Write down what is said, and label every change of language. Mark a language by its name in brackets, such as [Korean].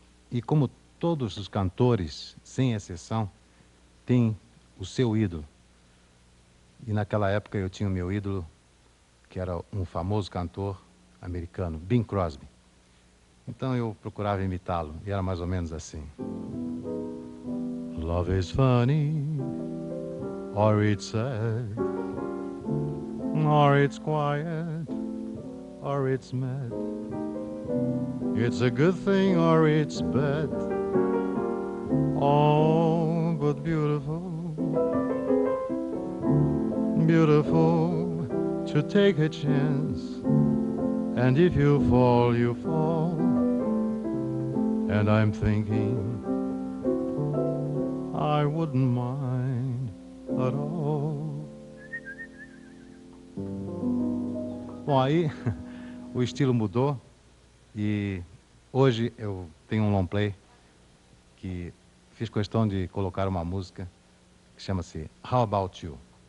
[Portuguese] E como todos os cantores, sem exceção, têm o seu ídolo. E naquela época eu tinha o meu ídolo, que era um famoso cantor americano, Bing Crosby. Então eu procurava imitá-lo, e era mais ou menos assim. [English] Love is funny, or it's sad, or it's quiet. Or it's mad. It's a good thing or it's bad. Oh, but beautiful, beautiful to take a chance. And if you fall, you fall. And I'm thinking I wouldn't mind at all. Why? [Portuguese] O estilo mudou e hoje eu tenho um long play que fiz questão de colocar uma música que chama-se How About You?